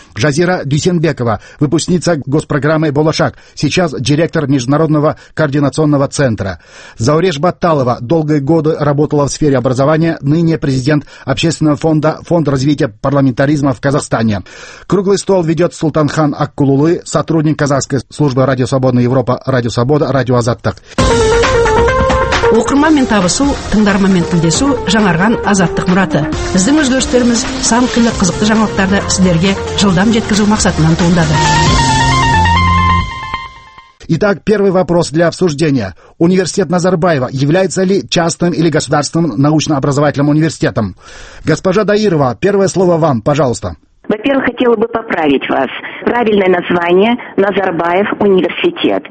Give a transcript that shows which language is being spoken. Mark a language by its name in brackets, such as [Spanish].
[Russian] Жазира Дюсенбекова, выпускница госпрограммы «Болашак», сейчас директор Международного координационного центра. Зауреш Батталова, долгие годы работала в сфере образования, ныне президент общественного фонда «Фонд развития парламентаризма в Казахстане». Круглый стол ведет Сұлтанхан Аққұлұлы, сотрудник казахской службы «Радио Свобода Европа», «Радио Свобода», «Радио Азаттык». [Kazakh] Оқырман мен табысу, тыңдарман мен тілдесу жаңарған азаттық мұраты. Біздің өзгерістеріміз сан күлі қызықты жаңалықтарды сіздерге жылдам жеткізу мақсатынан туындады. [Russian] Итак, первый вопрос для обсуждения. Университет Назарбаева является ли частным или государственным научно-образовательным университетом? Госпожа Даирова, первое слово вам, пожалуйста. Во-первых, хотела бы поправить вас. Правильное название – Назарбаев университет.